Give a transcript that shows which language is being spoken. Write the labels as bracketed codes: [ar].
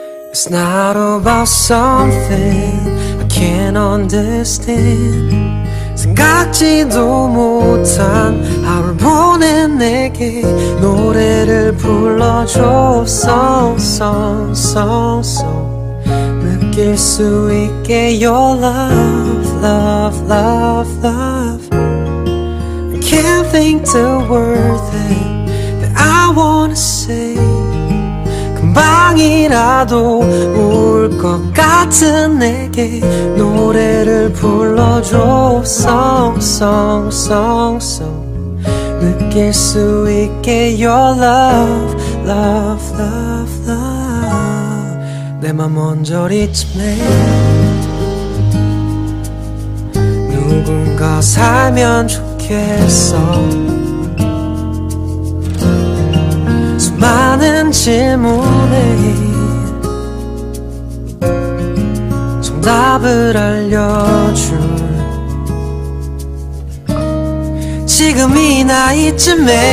[en] It's not about something I can't understand. [ko] 생각지도 못한 하루를 보낸 내게 노래를 불러줘. [en] Song, song, song, song. [ko] 느낄 수 있게 [en] Your love, love, love, love. I can't think the word that I wanna say. [ko] 금방이라도 울 것 같은 내게 노래를 불러줘. [en] Song, song, song, song. [ko] 느낄 수 있게 [en] Your love, love, love, love. [ko] 내 맘 언저리쯤에 누군가 살면 좋겠어. 많은 질문에 정답을 알려줄 지금 이 나이쯤엔